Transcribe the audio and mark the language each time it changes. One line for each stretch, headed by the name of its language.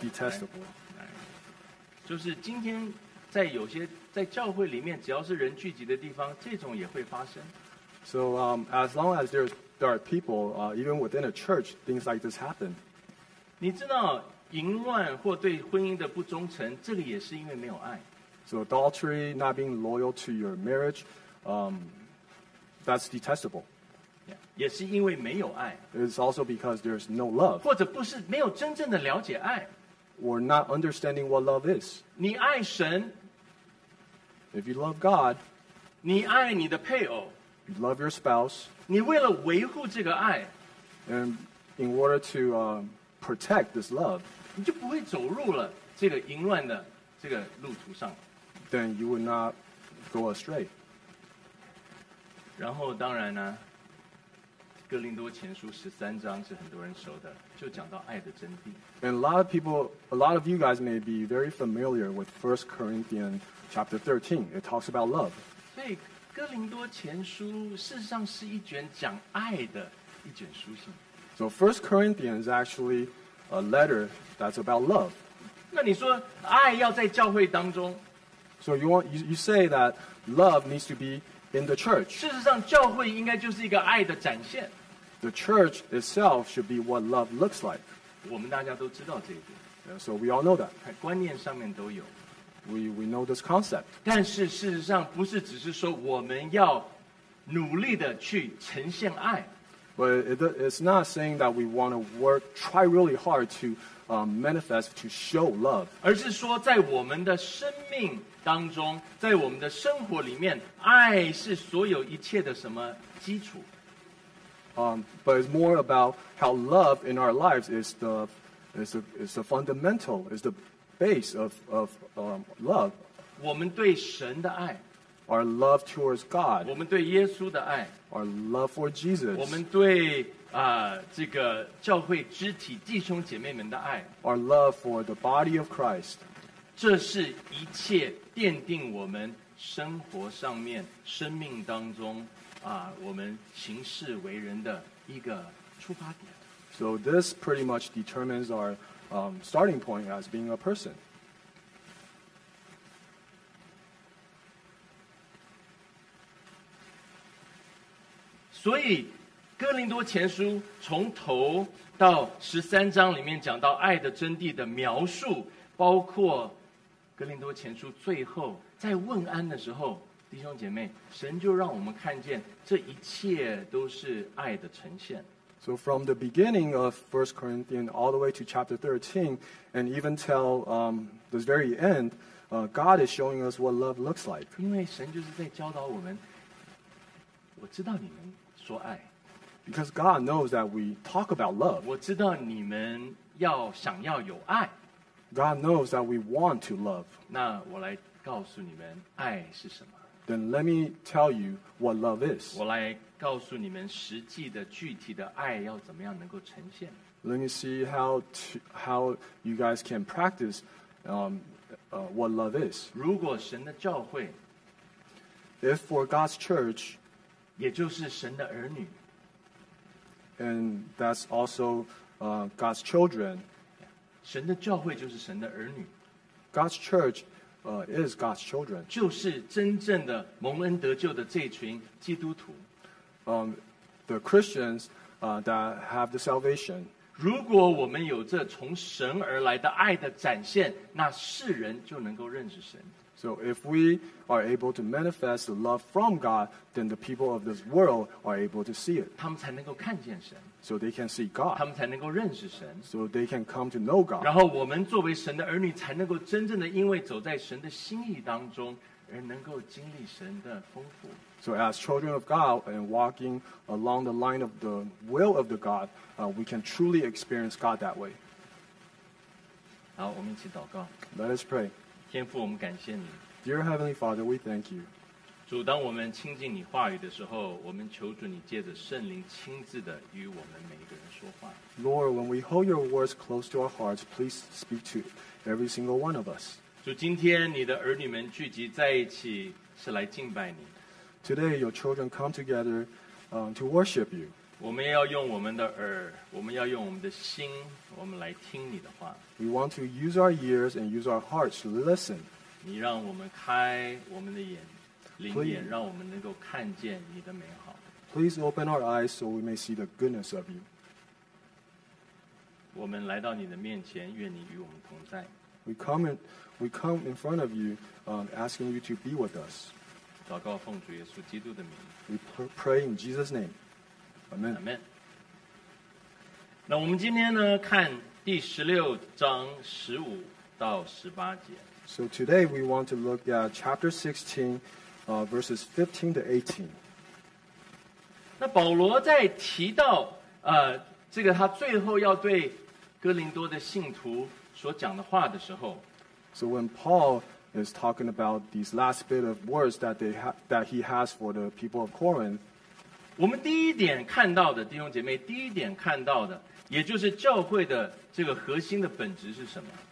English: Detestable. Right?
Chinese: 就是今天。在有些在教会里面，只要是人聚集的地方，这种也会发生。
English: So as long as there are people, even within a church, things like this happen.
Chinese: 你知道淫乱或对婚姻的不忠诚，这个也是因为没有爱。
English: So adultery, not being loyal to your marriage, that's detestable.
Chinese: Yeah, 也是因为没有爱。
English: It's also because there's no love.
Chinese: 或者不是没有真正的了解爱。
English: Or not understanding what love is.
Chinese: 你爱神,
English: if you love God,
Chinese: 你爱你的配偶,
English: you love your spouse,
Chinese: 你为了维护这个爱,
English: and in order to protect this love,
Chinese: 你就不会走入了这个淫乱的这个路途上,
English: then you would not go astray.
Chinese: 然后当然呢,哥林多前书十三章是很多人熟的，就讲到爱的真谛。
English: And a lot of you guys may be very familiar with First Corinthians chapter 13. It talks about love.
Chinese: 所以哥林多前书事实上是一卷讲爱的一卷书信。
English: So First Corinthians is actually a letter that's about love.
Chinese: 那你说爱要在教会当中
English: ？So you say that love needs to be in the church.
Chinese: 事实上，教会应该就是一个爱的展现。
English: The church itself should be what love looks like.
Chinese: 我们大家都知道这一点。
English: So we all know that.
Chinese: 观念上面都有。
English: We know this concept.
Chinese: 但是事实上，不是只是说我们要努力的去呈现爱。
English: But it's not saying that we want to try really hard to manifest to show love.
Chinese: 而是说在我们的生命当中，在我们的生活里面，爱是所有一切的什么基础？
English: But it's more about how love in our lives is the fundamental, is the base of love.
Chinese: 我们对神的爱
English: ，our love towards God.
Chinese: 我们对耶稣的爱
English: ，our love for Jesus.
Chinese: 我们对这个教会肢体弟兄姐妹们的爱
English: ，our love for the body of Christ.
Chinese: 这是一切奠定我们生活上面、生命当中我们行事为人的一个出发点。
English: So this pretty much determines our starting point as being a person.
Chinese: 所以，哥林多前书从头到十三章里面讲到爱的真谛的描述，包括。哥林多前书最后在问安的时候，弟兄姐妹，神就让我们看见这一切都是爱的呈现。
English: So from the beginning of 1 Corinthians all the way to chapter 13, and even till this very end, God is showing us what love looks like.
Chinese: 因为神就是在教导我们，我知道你们说爱。
English: Because God knows that we talk about love.
Chinese: 我知道你们要想要有爱。
English: God knows that we want to love.
Chinese: 那我来告诉你们爱是什么。
English: Then let me tell you what love is.
Chinese: 我来告诉你们实际的具体的爱要怎么样能够呈现。
English: Let me see how you guys can practice what love is.
Chinese: 如果神的教会
English: If for God's church
Chinese: 也就是神的儿女
English: And that's also God's children
Chinese: 神的教会就是神的儿女
English: God's churchis God's children.
Chinese: 就是真正的蒙恩得救的这群基督徒。
English: The Christians, that have the salvation.
Chinese: 如果我们有这从神而来的爱的展现，那世人就能够认识神。
English: So if we are able to manifest the love from God, then the people of this world are able to see it.
Chinese: 他们才能够看见神。
English: So they can see God.
Chinese: 他们才能够认识神。
English: So they can come to know God.
Chinese: 然后我们作为神的儿女，才能够真正的因为走在神的心意当中，而能够经历神的丰富。
English: So as children of God and walking along the line of the will of the God, we can truly experience God that way.
Chinese: 好，我们一起祷告。
English: Let us pray.
Chinese: 天父，我们感谢你。
English: Dear Heavenly Father, we thank you.
Chinese: 主，当我们亲近你话语的时候，我们求主你借着圣灵亲自的与我们每一个人说话。
English: Lord, when we hold your words close to our hearts, please speak to every single one of us.
Chinese: 主，今天你的儿女们聚集在一起是来敬拜你。
English: Today, your children come together, to worship you.
Chinese: 我们要用我们的耳，我们要用我们的心，我们来听你的话。
English: We want to use our ears and use our hearts to listen.
Chinese: 你让我们开我们的眼。
English: Please, please open our eyes so we may see the goodness of you. We come in front of you, asking you to be with us. We pray in Jesus' name. Amen. Amen.
Chinese: 那我们今天呢，看第十六章十五到十八节。
English: So today we want to look at chapter 16. Verses 15 to 18.
Chinese: 那保罗在提到这个他最后要对哥林多的信徒所讲的话的时候
English: ，So when Paul is talking about these last bit of words that he has for the people of Corinth,
Chinese: 我们第一点看到的弟兄姐妹，第一点看到的，也就是教会的这个核心的本质是什么